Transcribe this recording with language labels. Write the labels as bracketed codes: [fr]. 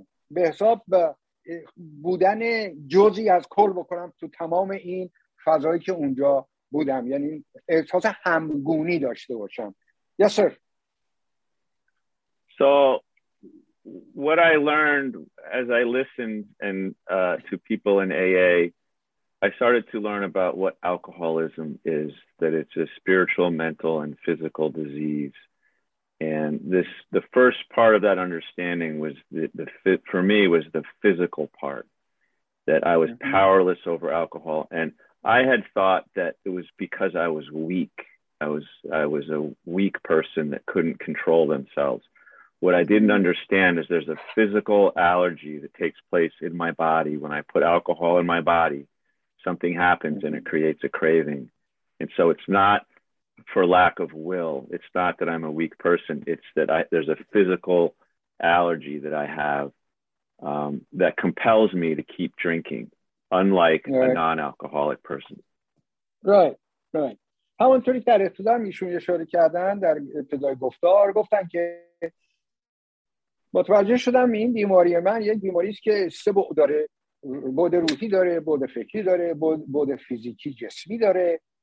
[fa] به حساب بودن جزی از کل بکنم تو تمام این فضایی که اونجا بودم، یعنی احساس همگونی داشته باشم. [en] Yes sir. So what I learned as I listened and to people in AA, I started to learn about what alcoholism is, that it's a spiritual, mental and physical disease. And this, the first part of that understanding was the for me was the physical part, that I was powerless over alcohol. And I had thought that it was because I was weak. I was a weak person that couldn't control themselves. What I didn't understand is there's a physical allergy that takes place in my body. When I put alcohol in my body, something happens and it creates a craving. And so it's not for lack of will. It's not that I'm a weak person. It's that there's a physical allergy that I have that compels me to keep drinking, unlike right. a non-alcoholic person. Right, right. [fa] همونطوری که در ابتدا میشون اشاره کردن در ابتدای گفتار، گفتن که متوجه شدم این بیماری من یک بیماری است که سه بعد داره. بعد روحی داره، بعد فکری داره، بعد فیزیکی جسمی داره.